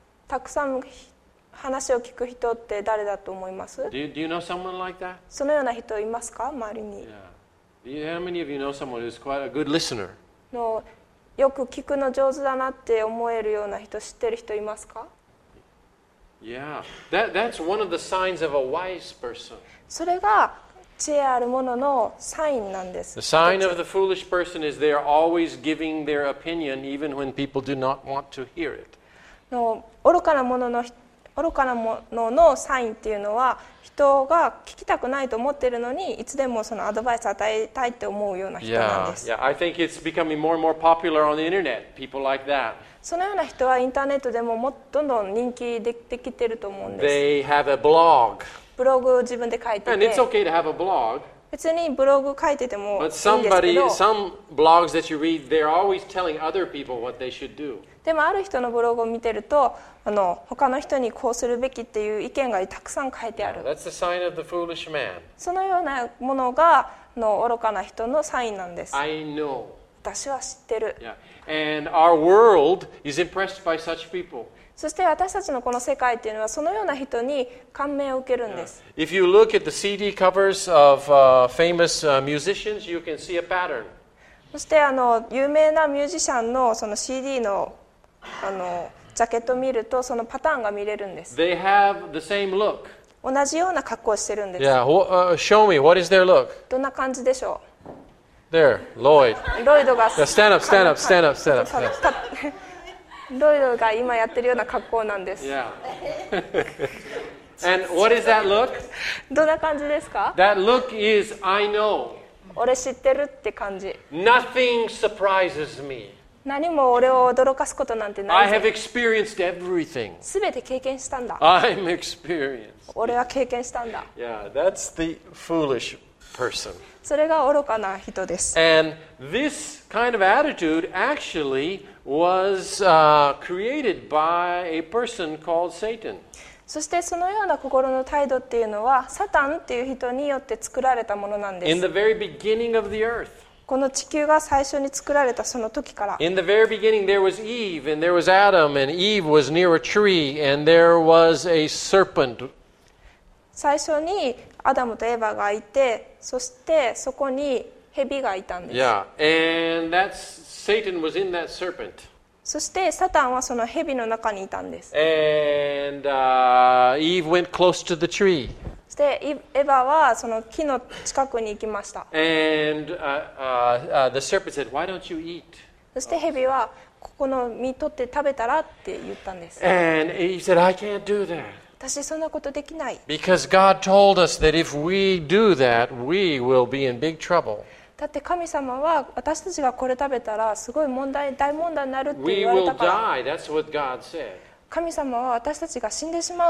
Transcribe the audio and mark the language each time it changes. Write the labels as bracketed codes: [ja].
[ja] たくさん話を聞く人って誰だと思います？ [en] Do you know someone like that? [ja] そのような人いますか、周りに？ [en] Yeah. How many of you know someone who's quite a good listener? [ja] のよく聞くの上手だなって思えるような人、知ってる人いますか？ [en] Yeah. That's one of the signs of a wise person. [ja] それが知恵あるもののサインなんです。 [en] The sign of the foolish person is they are always giving their opinion even when people do not want to hear it. [ja] の愚かなものの人、愚かなもののサインっていうのは人が聞きたくないと思ってるのにいつでもそのアドバイスを与えたいって思うような人なんです。 [en] Yeah, I think it's becoming more and more popular on the internet, people like that. [ja] そのような人はインターネットでもどんどん人気できてると思うんです。 [en] They have a blog. [ja] ブログを自分で書いてて、 [en] And it's okay to have a blog. [ja] 別にブログ書いててもいいんですけど、 [en] But some blogs that you read, they're always telling other people what they should do. [ja] でもある人のブログを見てると他の人にこうするべきっていう意見がたくさん書いてある。 [en] That's the sign of the foolish man. [ja] そのようなものが愚かな人のサインなんです。 [en] I know. [ja] 私は知ってる。 [en] Yeah. And our world is impressed by such people. [ja] そして私たちのこの世界っていうのはそのような人に感銘を受けるんです。 [en] Yeah. If you look at the CD covers of famous musicians, you can see a pattern. [ja] そして有名なミュージシャンのその CD のジャケットを見るとそのパターンが見れるんです。 [en] They have the same look. [ja] 同じような格好をしてるんです。 [en] Yeah, show me, what is their look? [ja] どんな感じでしょう? [en] There, Lloyd. [ja] ロイドが。 [en] Yeah, stand up, stand up, stand up, stand up. [ja] ロイドが今やってるような格好なんです。 [en] Yeah. And what is that look? [ja] どんな感じですか? [en] That look is I know. [ja] 俺知ってるって感じ。 [en] Nothing surprises me. [ja] 何も俺を驚かすことなんてない。 [en] I have experienced everything. [ja] すべて経験したんだ。 [en] I'm experienced. [ja] 俺は経験したんだ。 [en] Yeah, that's the foolish person. [ja] それが愚かな人です。 [en] And this kind of attitude actually was created by a person called Satan. [ja] そしてそのような心の態度っていうのはサタンっていう人によって作られたものなんです。 [en] In the very beginning of the earth. [ja] この地球が最初に作られたその時から。 [en] In the very beginning, there was Eve, and there was Adam, and Eve was near a tree, and there was a serpent. [ja] 最初にアダムとエヴァがいて、そしてそこに蛇がいたんです。 [en] Yeah, and that's Satan was in that serpent. [ja] そしてサタンはその蛇の中にいたんです。 [en] And Eve went close to the tree. [ja] そしてエヴァはその木の近くに行きました。 [en] And, the serpent said, "Why don't you eat?" [ja] そして蛇はここの実取って食べたらって言ったんです。 [en] And he said, "I can't do that." [ja] 私そんなことできない。 [en] Because God told us that if we do that, we will be in big trouble. [ja] だって神様は私たちがこれ食べたらすごい問題、大問題になるって言われたから。 [en] We will die. That's what God said. [ja] 神様は私たちが死んでしまう